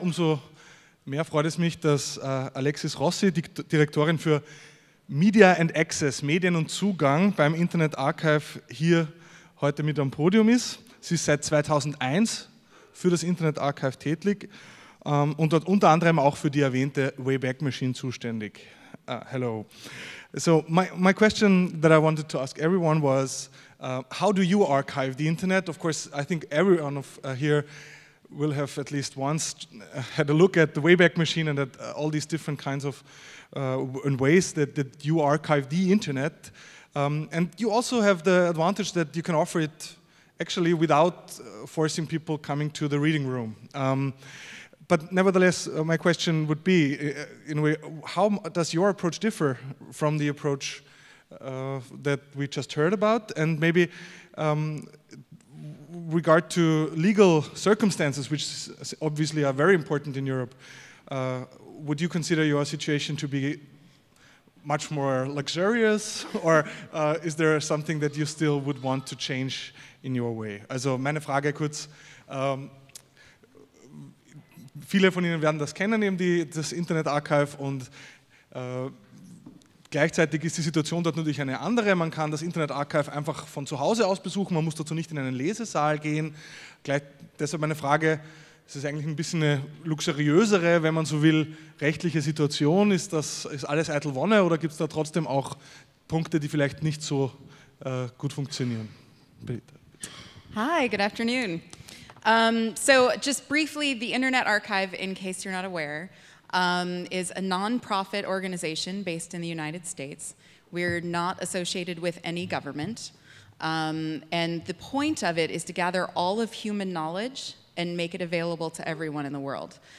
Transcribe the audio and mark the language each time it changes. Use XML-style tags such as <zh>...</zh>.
<de>Umso mehr freut es mich, dass Alexis Rossi, die Direktorin für Media and Access, Medien und Zugang beim Internet Archive, hier heute mit am Podium ist. Sie ist seit 2001 für das Internet Archive tätig und dort unter anderem auch für die erwähnte Wayback Machine zuständig.</de> <en>Hello. So my question that I wanted to ask everyone was, how do you archive the internet? Of course, I think everyone of here will have at least once had a look at the Wayback Machine and at all these different kinds of ways that you archive the internet. And you also have the advantage that you can offer it actually without forcing people coming to the reading room. But nevertheless, my question would be, in a way, how does your approach differ from the approach that we just heard about? And maybe regard to legal circumstances, which obviously are very important in Europe, would you consider your situation to be much more luxurious, or is there something that you still would want to change in your way?</en> <de>Also meine Frage kurz, viele von Ihnen werden das kennen, eben das Internet Archive, und gleichzeitig ist die Situation dort natürlich eine andere. Man kann das Internet Archive einfach von zu Hause aus besuchen, man muss dazu nicht in einen Lesesaal gehen. Deshalb meine Frage, ist es eigentlich ein bisschen eine luxuriösere, wenn man so will, rechtliche Situation? Ist alles eitel Wonne, oder gibt es da trotzdem auch Punkte, die vielleicht nicht so gut funktionieren? Bitte.</de> <en>Hi, good afternoon. So just briefly, the Internet Archive, in case you're not aware, is a non-profit organization based in the United States. We're not associated with any government. And the point of it is to gather all of human knowledge and make it available to everyone in the world.</en>